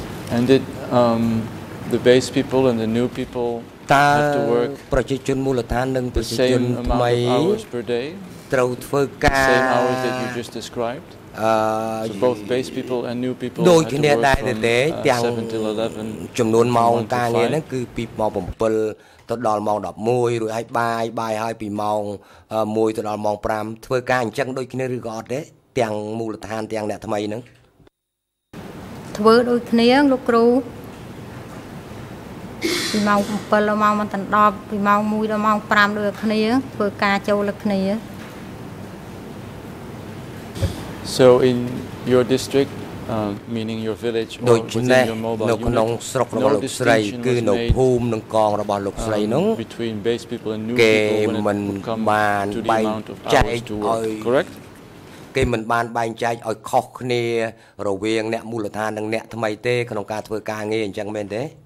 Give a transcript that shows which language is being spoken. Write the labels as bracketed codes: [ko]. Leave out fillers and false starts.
[en] And did the base people and the new people have to work the same amount of hours per day, the same hours that you just described? So both base people and new people had to work from 7 till 11, 9 to 5? [km] ទៅដល់ម៉ោង11រួចហើយបាយហើយពីម៉ោង1ទៅដល់ម៉ោង5ធ្វើការអញ្ចឹងដូចគ្នាឬក៏អត់ទេទាំងមូលដ្ឋានទាំងអ្នកថ្មីហ្នឹង ធ្វើដូចគ្នាលោកគ្រូពីម៉ោង7ដល់ម៉ោង10ពីម៉ោង1ដល់ម៉ោង5ដូចគ្នាធ្វើការចូលលើគ្នា [en] So in your district meaning your village or within your mobile unit. [km] នៅក្នុងស្រុករបស់លោកស្រីគឺនៅភូមិនិងកងរបស់លោកស្រីនោះគេមិនបានបែងចែកឲ្យ គេមិនបានបែងចែកឲ្យខុសគ្នារវាងអ្នកមូលដ្ឋាននិងអ្នកថ្មីទេក្នុងការធ្វើការងារអញ្ចឹងមែនទេ